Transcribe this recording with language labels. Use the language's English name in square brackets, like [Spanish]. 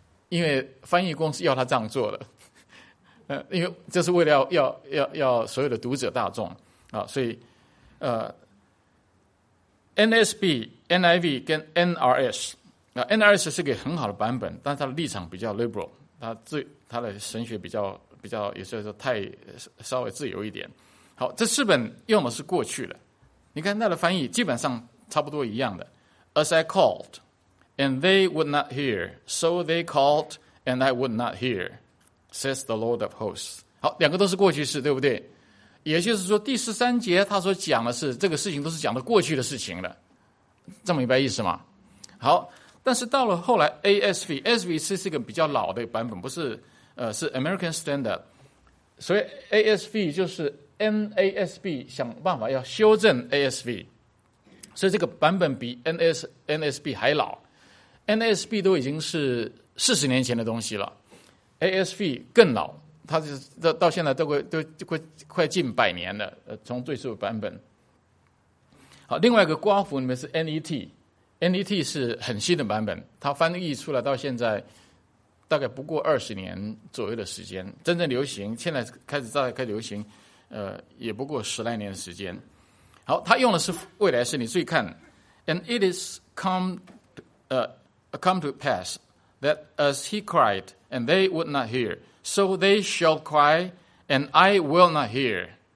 [Chinese] 因为翻译公司要他这样做的，因为这是为了要所有的读者大众啊，所以NSB、NIV 跟 NRS， NRS 是个很好的版本，但它的立场比较 liberal， 它的神学比较也就是太稍微自由一点。好，这四本用的是过去的，你看它的翻译基本上差不多一样的。 [English] As I called and they would not hear, so they called and I would not hear,says the Lord of hosts。 [Chinese] 好，两个都是过去式，对不对？也就是说第十三节他所讲的是这个事情都是讲的过去的事情了，这么明白意思吗？好，但是到了后来 ASV， ASV 是一个比较老的版本，不是是 American Standard， 所以 ASV 就是 NASB 想办法要修正 ASV， 所以这个版本比 NASB 还老， NASB 都已经是40年前的东西了， ASV 更老，它到现在都快近百年了，从最初的版本。好，另外一个瓜符里面是 NET， NET 是很新的版本，它翻译出来到现在大概不过20年左右的时间，真正流行现在开始在开流行也不过十来年的时间。好，它用的是未来式，你注意看， [English] And it is come to pass that as he cried and they would not hear, so they shall cry and I will not hear。